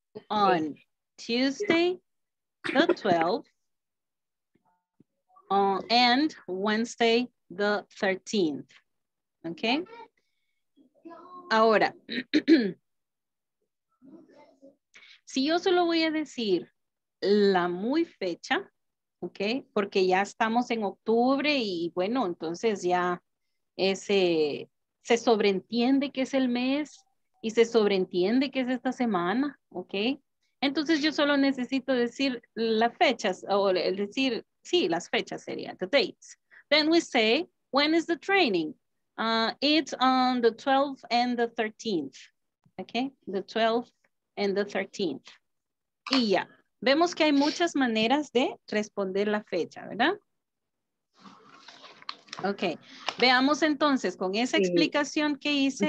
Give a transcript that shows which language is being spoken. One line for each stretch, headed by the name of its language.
English: On Tuesday the 12th and Wednesday the 13th. Okay.
Spanish: Ahora, si yo solo voy a decir la muy fecha, ok, porque ya estamos en octubre y bueno, entonces ya ese se sobreentiende que es el mes y se sobreentiende que es esta semana, ok. Entonces yo solo necesito decir las fechas, o decir, sí, las fechas serían,
English: the dates. Then we say, when is the training? It's on the 12th and the 13th, okay? The 12th and the 13th.
Spanish: Y ya, vemos que hay muchas maneras de responder la fecha, ¿verdad? Okay, veamos entonces con esa explicación que hice.